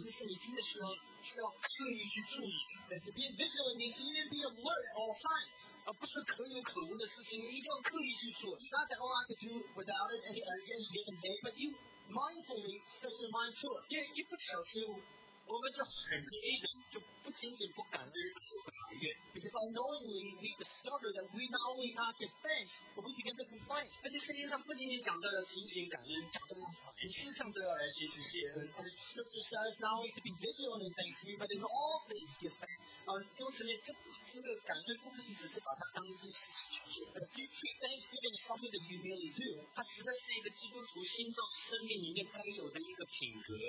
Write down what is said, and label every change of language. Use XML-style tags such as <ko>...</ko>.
<zh>就是你听的时候需要刻意去注意。</zh> <en>That to be vigilant means you need to be alert all times.</en> <zh>而不是可有可无的事情，你一定要刻意去做。</zh> <en>It's not that all I can do without it any given day, but you mindfully set your mind to it.</en> <zh>因为一不小心。我们就很累的，就不仅仅不感恩，而是埋怨。</zh> <en>Because unknowingly we discover that we not only not get thanks, but we begin to complain.</en> <zh>而且圣经上不仅仅讲到了提醒感恩，讲到了凡事上都要来学习谢恩。</zh> <en>And the scripture says not only to be vigilant in thanksgiving, but in all things give thanks.</en> <zh>就是呢，这个感恩不是只是把它当一件事情去做。</zh> <en>But if you treat thanksgiving as something that you really do,</en> <zh>它实在是一个基督徒心脏生命里面该有的一个品格。</zh>